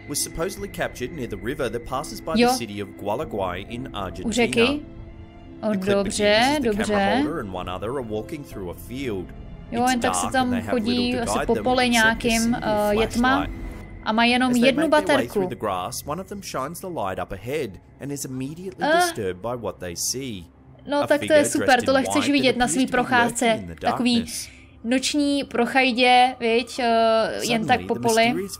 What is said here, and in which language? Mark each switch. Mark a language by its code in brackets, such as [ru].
[en] Was supposedly captured near the river that passes by the city of Gualeguay in Argentina. [cs] U řeky? O, dobře, dobře. [en] One other are walking through a field. [cs] Jo, jen tak se tam chodí asi po pole nějakým, je tma. A má jenom jednu baterku. [en] One of them shines the light up ahead and is immediately disturbed by what they see. [cs] No, tak to je super, tohle chceš vidět na své procházce, takový noční prochajdě, viď, jen tak po poli.